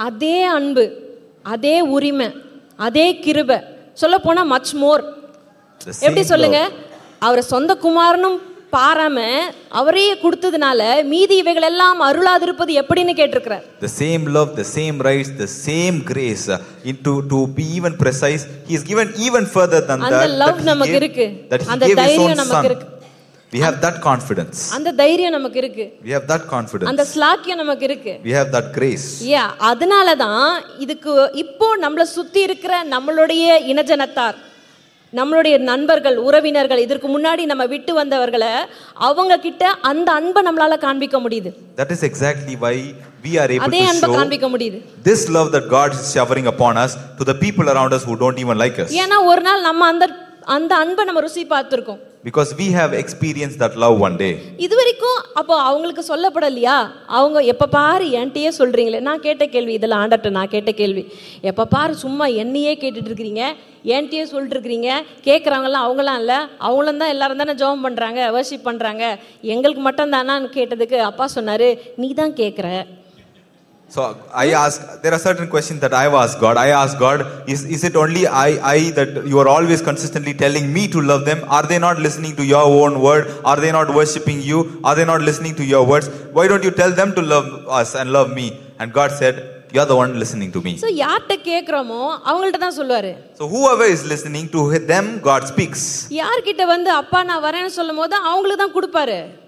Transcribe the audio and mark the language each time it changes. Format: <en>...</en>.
<ta>அதே அன்பு, அதே உரிமை, அதே கிருபை, சொல்ல போனா</ta> <en>Much more.</en> <ta>எப்படி சொல்லுங்க, அவரை சொந்த குமாரனும் பாராம அவரே கொடுத்ததுனால மீதி இவைகள் எல்லாம் அருளாதிருப்பது எப்படின்னு கேட்டிருக்கிறார்.</ta> <en>The same love, the same rights, the same grace, to be even precise, he has given even further than that.</en> <ta>அந்த லவ் நமக்கு இருக்கு, அந்த தைரியம் நமக்கு இருக்கு.</ta> <en>We have that confidence.</en> <ta>அந்த தைரியம் நமக்கு இருக்கு.</ta> <en>We have that confidence.</en> <ta>அந்த ஸ்லாக்கியம் நமக்கு இருக்கு.</ta> <en>We have that grace.</en> <ta>Yeah, அதனால தான் இதுக்கு இப்போ நம்மள சுத்தி இருக்கிற நம்மளுடைய இனஜனத்தார், நம்மளுடைய நண்பர்கள், உறவினர்கள், இதற்கு முன்னாடி நம்ம விட்டு வந்தவர்களை அவங்க கிட்ட அந்த அன்பை நம்மளால காண்பிக்க முடியுது.</ta> <en>That is exactly why we are able to show this love that God is showering upon us to the people around us who don't even like us.</en> <ta>ஏனா ஒரு நாள் நம்ம அந்த அன்பை நம்ம ருசி பார்த்திருக்கோம்.</ta> <en>Because we have experienced that love one day.</en> <ta>இதுவரைக்கும் அப்ப அவங்களுக்கு சொல்லப்படலையா? அவங்க எப்ப பாரு என்கிட்டயே சொல்றீங்களே, நான் கேட்ட கேள்வி இதுல ஆண்டட்ட, நான் கேட்ட கேள்வி எப்ப பாரு, சும்மா என்னையே கேட்டுட்டு இருக்கிறீங்க, என்கிட்டயே சொல்லிட்டு இருக்கிறீங்க. கேட்கறவங்க எல்லாம் அவங்களாம் இல்ல, அவங்களும் தான் எல்லாரும் தானே ஜெபம் பண்றாங்க, வர்ஷிப் பண்றாங்க, எங்களுக்கு மட்டும் தானான்னு கேட்டதுக்கு அப்பா சொன்னாரு நீ தான் கேக்குற.</ta> <en>So I ask, there are certain questions that I've asked God. I ask God, is it only I that you are always consistently telling me to love them? Are they not listening to your own word? Are they not worshipping you? Are they not listening to your words? Why don't you tell them to love us and love me? And God said, you are the one listening to me.</en> <ta>So யார்ட்ட கேக்குறமோ அவங்கள்ட்ட தான் சொல்வாரு.</ta> <en>So whoever is listening to them, God speaks.</en> <ta>யார் கிட்ட வந்து அப்பா நான் வரேன்னு சொல்லும்போது அவங்களுக்கு தான் கொடுப்பாரு.</ta>